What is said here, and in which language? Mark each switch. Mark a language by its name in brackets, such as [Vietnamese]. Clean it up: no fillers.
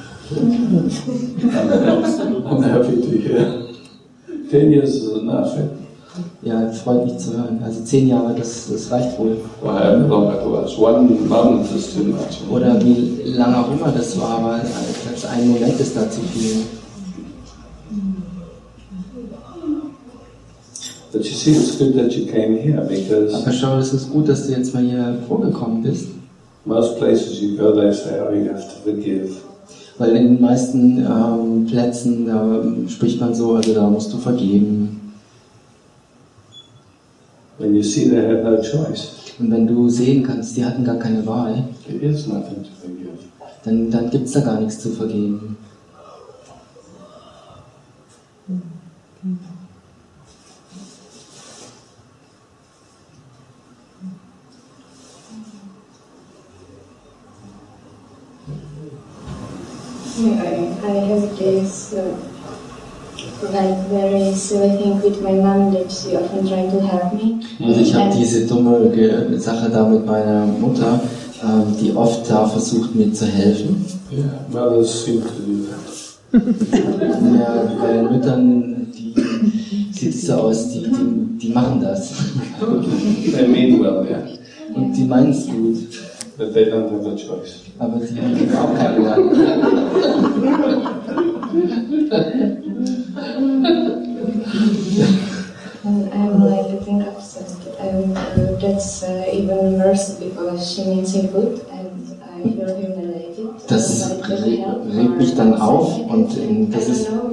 [English] I'm happy to hear. 10 years is enough. Eh? [German] Ja, freut mich zu hören. Also 10 Jahre, das reicht wohl. [English] Well, one month is too much. [German] Oder wie lange auch immer das war, aber selbst ein Moment ist da zu viel. [English] But you see, it's good that you came here because. [German] Aber schau, es ist gut, dass du jetzt mal hier vorgekommen bist. [English] Most places you go, they say, oh, you have to forgive. [German] Weil in den meisten Plätzen, da spricht man so, also da musst du vergeben. [English] When you see they had no choice. [German] Und wenn du sehen kannst, die hatten gar keine Wahl. [English] There is nothing to forgive. [German] Dann gibt's da gar nichts zu vergeben. [English] I have this very silly thing with my mom that she often tried to help me. [German] Also ich habe diese dumme Sache da mit meiner Mutter, die oft da versucht mir zu helfen. [English] Yeah, mothers seem to do that. [German] Ja, bei Müttern, die sieht es so aus, die machen das. [English] They mean well, yeah. [German] Und die meinen es gut. [English] But they don't have a choice. [German] Aber sie haben auch keine Wahl. [English] I'm like getting upset. That's even worse because she means it good and I feel humiliated. [German] Das regt mich dann auf und das ist.